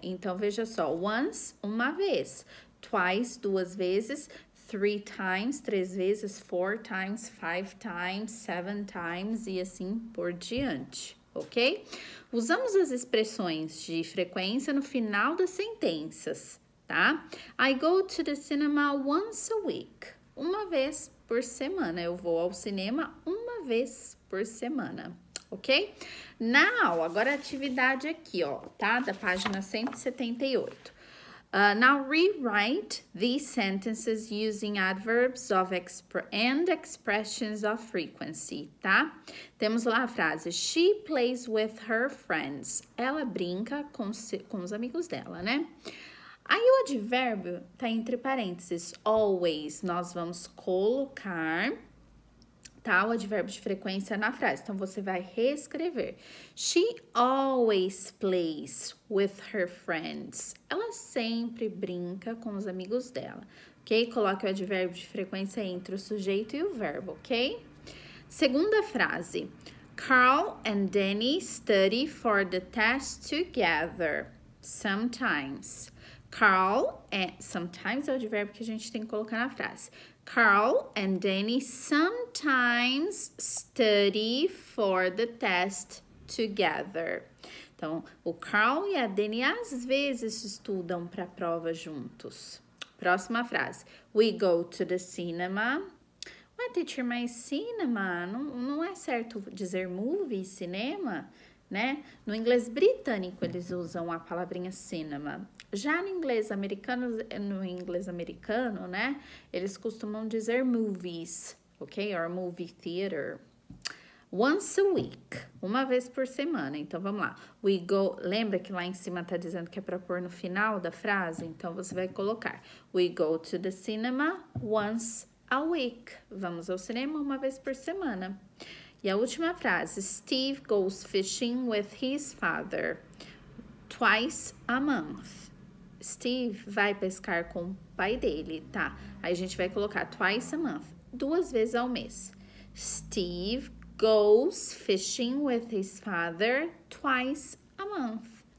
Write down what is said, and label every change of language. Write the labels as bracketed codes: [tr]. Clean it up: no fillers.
[pt] Então, veja só, [en] once, [pt] uma vez, [en] twice, [pt] duas vezes, [en] three times, [pt] três vezes, [en] four times, five times, seven times, [pt] e assim por diante, ok? Usamos as expressões de frequência no final das sentenças, tá? [en] I go to the cinema once a week. [pt] Uma vez por semana. Eu vou ao cinema uma vez por semana, ok? Now, agora a atividade aqui, ó, tá? Da página 178. [en] Now, rewrite these sentences using adverbs of and expressions of frequency, tá? [pt] Temos lá a frase, [en] she plays with her friends. [pt] Ela brinca com os amigos dela, né? Aí o advérbio tá entre parênteses, always, nós vamos colocar, tá, o advérbio de frequência na frase. Então, você vai reescrever. [en] She always plays with her friends. [pt] Ela sempre brinca com os amigos dela, ok? Coloque o advérbio de frequência entre o sujeito e o verbo, ok? Segunda frase. [en] Carl and Danny study for the test together sometimes. Carl and sometimes [pt] é o advérbio que a gente tem que colocar na frase. [en] Carl and Danny sometimes study for the test together. [pt] Então, o Carl e a Danny às vezes estudam para a prova juntos. Próxima frase. [en] We go to the cinema. [pt] Ué, teacher, mas cinema? Não é certo dizer movie, cinema? Né? No inglês britânico, eles usam a palavrinha cinema. Já no inglês americano, né? Eles costumam dizer movies, ok? [en] Or movie theater. Once a week, [pt] uma vez por semana. Então, vamos lá. [en] We go, [pt] lembra que lá em cima tá dizendo que é para pôr no final da frase? Então, você vai colocar. [en] We go to the cinema once a week. [pt] Vamos ao cinema uma vez por semana. E a última frase, [en] Steve goes fishing with his father twice a month. [pt] Steve vai pescar com o pai dele, tá? Aí a gente vai colocar [en] twice a month, [pt] duas vezes ao mês. Steve [en] goes fishing with his father twice a month.